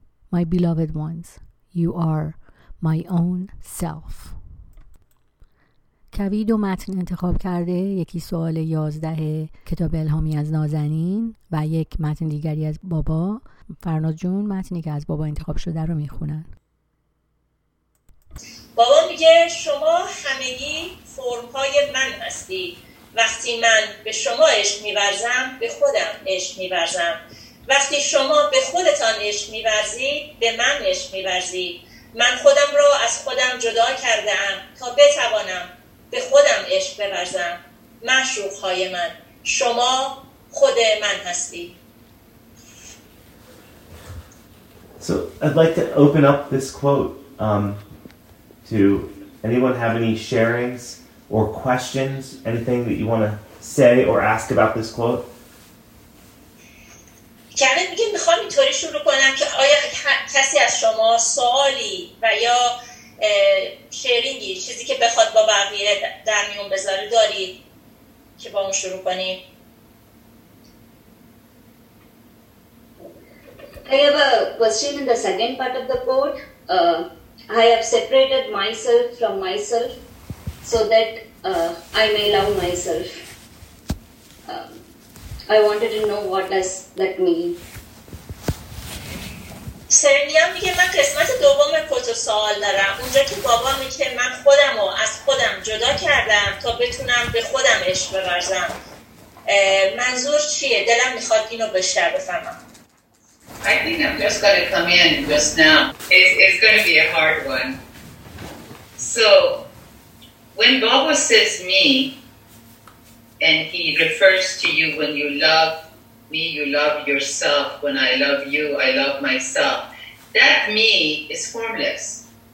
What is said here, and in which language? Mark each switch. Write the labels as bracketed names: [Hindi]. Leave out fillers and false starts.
[English] My beloved ones, you are my own self. [Persian] کوی دو متن انتخاب کرده، یکی سوال 11 کتاب الهامی از نازنین و یک متن دیگری از بابا. فرناز جون متنی که از بابا انتخاب شده رو میخونن. بابا میگه شما همگی فرم‌های من هستید. وقتی من به شما عشق می‌ورزم، به خودم عشق می‌ورزم. وقتی شما به خودتان عشق می‌ورزید، به من عشق می‌ورزید. من خودم را از خودم جدا کردم تا بتوانم به خودم عشق بورزم. معشوق‌های من، شما خود من هستید. [English] So I'd like to open up this quote to anyone. Have any sharings or questions, anything that you want to say or ask about this quote? [Persian] Kevin, میگه میخوام اینطوری شروع کنم که آیا کسی از شما سوالی و یا شیرینگی، چیزی که بخواد با بقیه در میون بذاره دارید که با اون شروع کنیم؟ [English] I have a question in the second part of the quote. I have separated myself from myself so that I may love myself. I wanted to know what does that mean. [Persian] سرنیا میگه من قسمت دوم کتو سوال دارم، اونجا که بابا میگه من خودم رو از خودم جدا کردم تا بتونم به خودم عشق بورزم. منظور چیه؟ دلم میخواد اینو بیشتر بفهمم. [English] I think I'm just going to come in just now. It's going to be a hard one. So, when Baba says me, and he refers to you, when you love me, you love yourself. When I love you, I love myself. That me is formless.